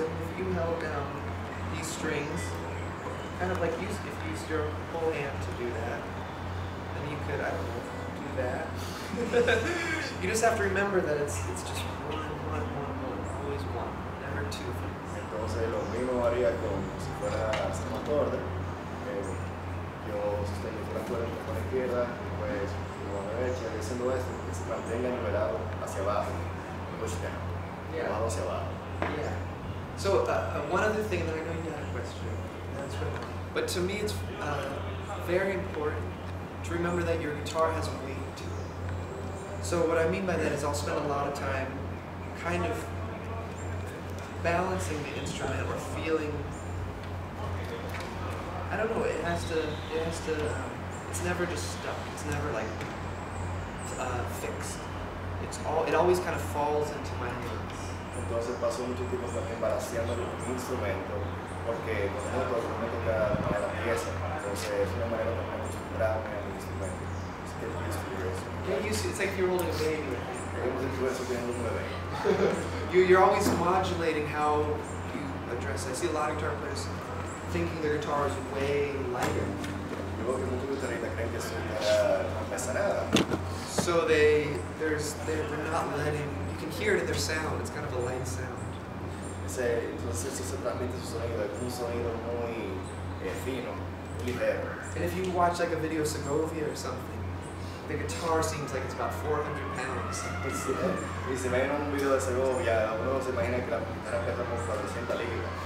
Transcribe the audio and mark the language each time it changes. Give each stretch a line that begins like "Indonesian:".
English: I mean, if you held down these strings. Kind of like if you used your whole hand to do that, then you could, I don't know, do that. You just have to remember that it's just one, always one, never two things.
Spanish: Entonces lo mismo haría como si fuera sistema acorde. Yo sostengo la cuerda con la izquierda, después con la derecha, y haciendo esto, que se mantenga nivelado hacia abajo.
English: Push down. Yeah.
Spanish: Abajo hacia abajo.
English: Yeah. So, one other thing that I know you had a question. But to me, it's very important to remember that your guitar has weight to it. So what I mean by that is I'll spend a lot of time kind of balancing the instrument or feeling. I don't know. It has to. It's never just stuck. It's never like fixed. It always kind of falls into my hands.
Spanish: Entonces paso mucho tiempo también balanceando el instrumento. Porque con el otro me toca tocar la pieza, entonces es una manera de acostumbrarme a mi instrumento. Es que es muy curioso. Es como si
English: you're holding a baby.
Spanish: Como si estuviese teniendo un bebé.
English: You're always modulating how you address it. I see a lot of guitar players thinking their guitar is way lighter.
Spanish: Yo veo que muchos guitarristas creen que su guitarra no pesa nada.
English: So they're not letting, you can hear it in their sound, it's kind of a light sound.
Spanish: Entonces eso transmite un sonido muy fino, ligero.
English: And if you watch like a video of Segovia or something, the guitar seems like it's about 400 pounds.
Spanish: Y si ven un video de Segovia, uno se imagina que la guitarra pesa como 400 libras.